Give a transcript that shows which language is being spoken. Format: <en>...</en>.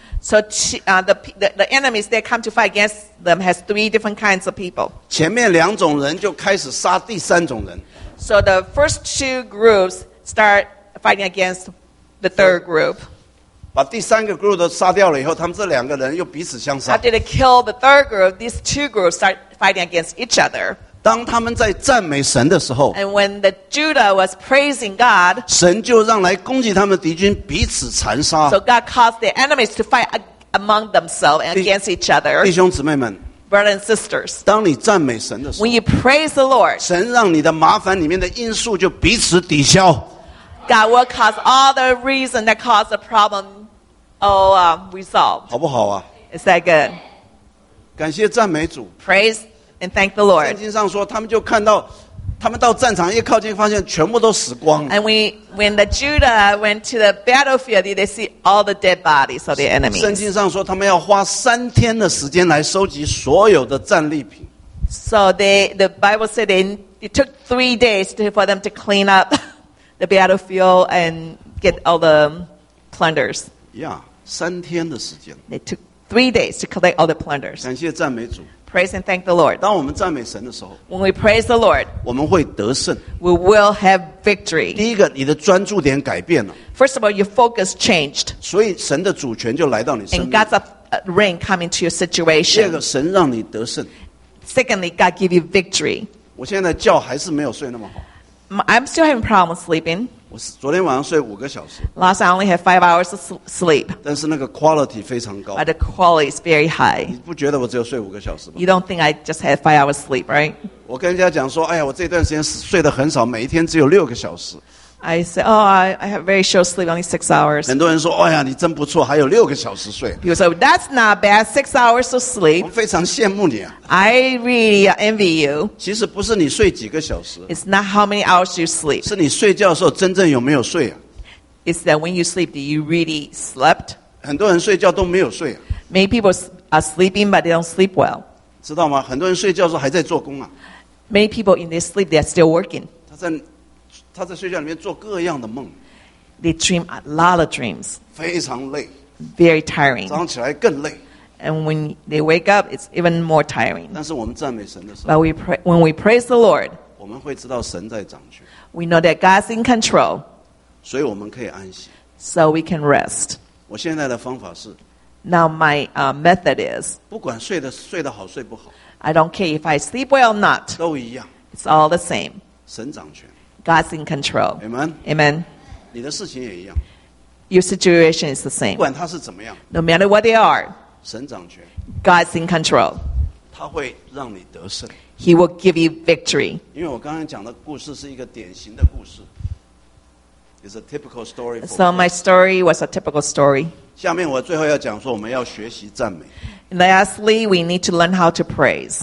<en>So the enemies that come to fight against them has three different kinds of people.</en> <zh>前面两种人就开始杀第三种人。</zh> <en>So the first two groups start fighting against the third group.</en> <zh>把第三个 group 都杀掉了以后，他们这两个人又彼此相杀。</zh> <en>After they kill the third group, these two groups start fighting against each other.</en> <zh>当他们在赞美神的时候，</zh> <en>And when the Judah was praising God,</en> <zh>神就让来攻击他们的敌军彼此残杀。</zh> <en>So God caused the enemies to fight among themselves and against each other.</en> <zh>弟兄姊妹们，</zh> <en>brothers and sisters.</en> <zh>当你赞美神的时候，</zh> <en>when you praise the Lord,</en> <zh>神让你的麻烦里面的因素就彼此抵消。</zh> <en>God will cause all the reason that caused the problem all resolved.</en> <zh>好不好啊？</zh> <en>Is that good?</en> <zh>感谢赞美主。</zh> <en>Praise and thank the Lord.</en> <zh>圣经上说，他们就看到，他们到战场一靠近，发现全部都死光了。</zh> <en>And when the Judah went to the battlefield, they see all the dead bodies of the enemies.</en> <zh>圣经上说，他们要花三天的时间来收集所有的战利品。</zh> <en>So the Bible said it took 3 days for them to clean up the battlefield and get all the plunders. Yeah, 3 days</en> <zh>的时间。</zh> <en>They took 3 days to collect all the plunders.</en> <zh>感谢赞美主。</zh> <en>Praise and thank the Lord.</en> <zh>当我们赞美神的时候，</zh> <en>when we praise the Lord,</en> <zh>我们会得胜。</zh> <en>We will have victory.</en> <zh>第一个，你的专注点改变了。</zh> <en>First of all, your focus changed.</en> <zh>所以神的主权就来到你身边。</zh> <en>And God's reign come into your situation.</en> <zh>第二个，神让你得胜。</zh> <en>Secondly, God give you victory.</en> <zh>我现在觉还是没有睡那么好。</zh> <en>I'm still having problems sleeping.</en> <zh>我昨天晚上睡五个小时。</zh> <en>Last night I only had 5 hours of sleep.</en> <zh>但是那个 quality 非常高。</zh> <en>But the quality is very high.</en> <zh>你不觉得我只有睡五个小时吗？</zh> <en>You don't think I just had 5 hours sleep, right?</en> <zh>我跟人家讲说，哎呀，我这段时间睡得很少，每一天只有六个小时。</zh> <en>I said, oh, I have very short sleep, only 6 hours.</en> <zh>很多人说，哎呀，你真不错，还有六个小时睡。</zh> <en>People say, that's not bad, 6 hours of sleep.</en> <zh>我非常羡慕你啊。</zh> <en>I really envy you.</en> <zh>其实不是你睡几个小时。</zh> <en>It's not how many hours you sleep.</en> <zh>是你睡觉的时候真正有没有睡啊。</zh> <en>It's that when you sleep, do you really slept?</en> <zh>很多人睡觉都没有睡啊。</zh> <en>Many people are sleeping, but they don't sleep well.</en> <zh>知道吗？很多人睡觉的时候还在做工啊。</zh> <en>Many people in their sleep, they are still working.</en> <zh>他在睡觉里面做各样的梦。</zh> <en>They dream a lot of dreams.</en> <zh>非常累。</zh> <en>Very tiring.</en> <zh>早上起来更累。</zh> <en>And when they wake up, it's even more tiring.</en> <zh>但是我们赞美神的时候，</zh> <en>But when we praise the Lord,</en> <zh>我们会知道神在掌权。</zh> <en>We know that God's in control.</en> <zh>所以我们可以安息。</zh> <en>So we can rest.</en> <zh>我现在的方法是，</zh> <en>Now my method is,</en> <zh>不管睡得好睡不好，</zh> <en>I don't care if I sleep well or not.</en> <zh>都一样。</zh> <en>It's all the same.</en> <zh>神掌权。</zh> <en>God's in control. Amen. Amen.</en> <zh>你的事情也一样。</zh> <en>Your situation is the same.</en> <zh>不管它是怎么样。</zh> <en>No matter what they are.</en> <zh>神掌权。</zh> <en>God's in control.</en> <zh>他会让你得胜。</zh> <en>He will give you victory.</en> <zh>因为我刚刚讲的故事是一个典型的故事。</zh> <en>It's a typical story. So my story was a typical story.</en> <zh>下面我最后要讲说我们要学习赞美。</zh> <en>Lastly, we need to learn how to praise.</en>